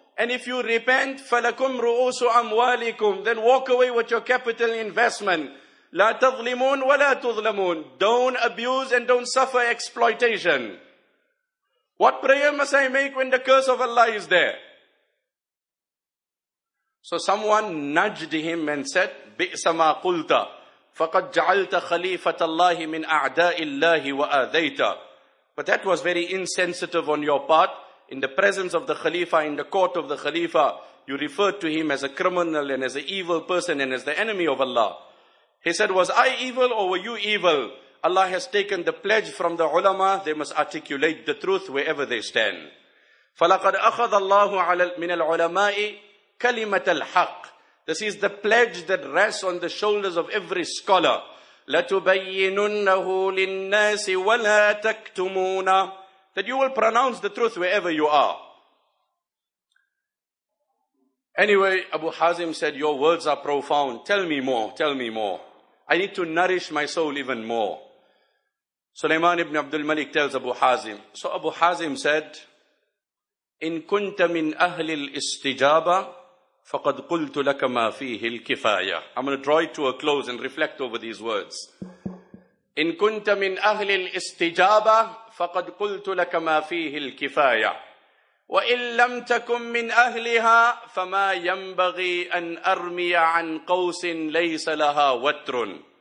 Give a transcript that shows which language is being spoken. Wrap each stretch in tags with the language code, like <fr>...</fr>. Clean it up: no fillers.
<en>And if you repent,</en> <ar>فَلَكُمْ رُؤُوسُ أَمْوَالِكُمْ,</ar> <en>then walk away with your capital investment.</en> <ar>لَا تَظْلِمُونَ وَلَا تُظْلَمُونَ,</ar> <en>don't abuse and don't suffer exploitation. What prayer must I make when the curse of Allah is there? So someone nudged him and said,</en> <ar>بِئْسَ مَا قُلْتَ فَقَدْ جَعَلْتَ خَلِيفَةَ اللَّهِ مِنْ أَعْدَاءِ اللَّهِ وَآذَيْتَ.</ar> <en>But that was very insensitive on your part. In the presence of the Khalifa, in the court of the Khalifa, you referred to him as a criminal and as an evil person and as the enemy of Allah. He said, was I evil or were you evil? Allah has taken the pledge from the ulama, they must articulate the truth wherever they stand.</en> <ar>فَلَقَدْ أَخَذَ اللَّهُ مِنَ الْعُلَمَاءِ كَلِمَةَ الْحَقِّ.</ar> <en>This is the pledge that rests on the shoulders of every scholar.</en> <ar>لَتُبَيِّنُنَّهُ لِلنَّاسِ وَلَا تَكْتُمُونَ.</ar> <en>That you will pronounce the truth wherever you are. Anyway, Abu Hazim said, your words are profound. Tell me more, tell me more. I need to nourish my soul even more. Sulaiman ibn Abdul Malik tells Abu Hazim. So Abu Hazim said,</en> <ar>إِن كُنْتَ مِنْ أَهْلِ الْإِسْتِجَابَةِ فَقَدْ قُلْتُ لَكَ مَا فِيهِ الْكِفَايَةِ.</ar> <en>I'm going to draw it to a close and reflect over these words.</en> <ar>إِن كُنْتَ مِنْ أَهْلِ الْإِسْتِجَابَةِ فَقَدْ قُلْتُ لَكَ مَا فِيهِ الْكِفَايَةِ وَإِن لَمْ تَكُمْ مِنْ أَهْلِهَا فَمَا يَنْبَغِي أَنْ أَرْمِيَ عَنْ قَوْسٍ لَيْسَ لَهَا وَتْرٌ.</ar>